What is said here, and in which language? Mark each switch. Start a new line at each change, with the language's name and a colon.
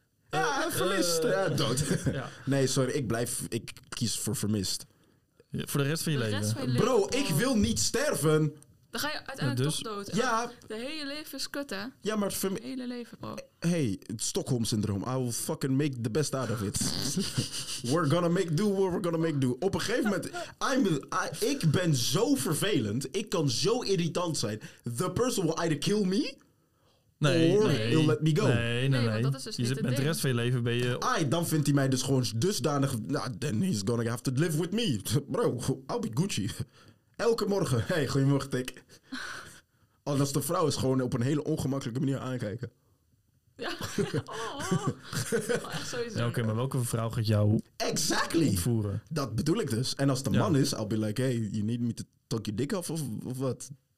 Dutch: Ja, vermist. Dood. Ja. Nee, sorry. Ik kies voor vermist. Ja, voor de rest van je leven. Bro, ik wil niet sterven. Dan ga je uiteindelijk dus, toch dood. Ja. De hele leven is kut, hè? Ja, maar... De hele leven, bro. Hey, het Stockholm-syndroom.
English: I will fucking make the best out of it. We're gonna make do what we're gonna make do.
Dutch: Op een gegeven moment... ik ben zo vervelend. Ik kan zo irritant zijn.
English: The person will either kill me...
Dutch: Nee,
English: or
Dutch: nee,
English: he'll let me go.
Dutch: Nee. Dat is dus je zit met de rest van je leven ben je... Dan vindt hij mij dus gewoon dusdanig... Nou,
English: then he's gonna have to live with me.
Dutch: Bro,
English: I'll be Gucci.
Dutch: Elke morgen. Hey, goedemorgen, Tik. Oh, dat is de vrouw is gewoon op een hele ongemakkelijke manier aankijken. Ja. Oh, echt sowieso. Ja, oké, maar welke vrouw gaat jou
English: exactly
Dutch: ontvoeren? Dat bedoel ik dus. En als het een man is,
English: I'll be like... Hey, you need me to talk your dick off of wat?